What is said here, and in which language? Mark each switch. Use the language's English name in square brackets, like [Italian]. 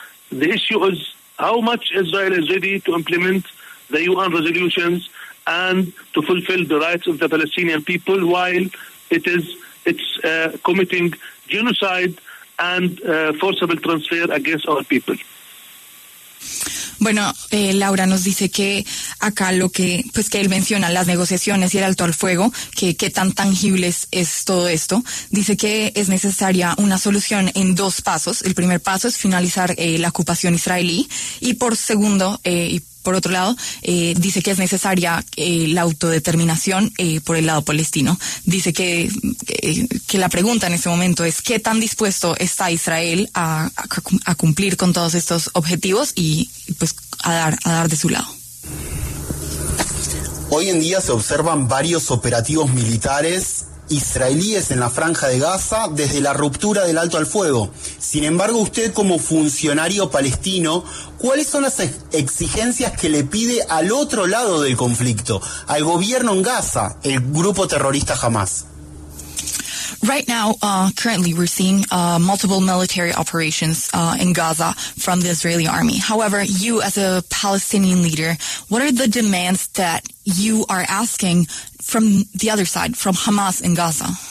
[English] The issue is how much Israel is ready to implement the UN resolutions and to fulfill the rights of the Palestinian people while it's committing genocide and forcible transfer against our people. [Spanish] Bueno, Laura nos dice que acá lo que, pues que él menciona las negociaciones y el alto al fuego, que qué tan tangibles es todo esto. Dice que es necesaria una solución en dos pasos. El primer paso es finalizar la ocupación israelí, y por otro lado, dice que es necesaria la autodeterminación por el lado palestino. Dice que la pregunta en este momento es qué tan dispuesto está Israel a cumplir con todos estos objetivos y pues a dar de su lado. Hoy en día se observan varios operativos militares israelíes en la franja de Gaza desde la ruptura del alto al fuego. Sin embargo, usted como funcionario palestino, ¿cuáles son las exigencias que le pide al otro lado del conflicto, al gobierno en Gaza, el grupo terrorista Hamas? [English] Right now, currently, we're seeing multiple military operations in Gaza from the Israeli army. However, you as a Palestinian leader, what are the demands that you are asking from the other side, from Hamas in Gaza?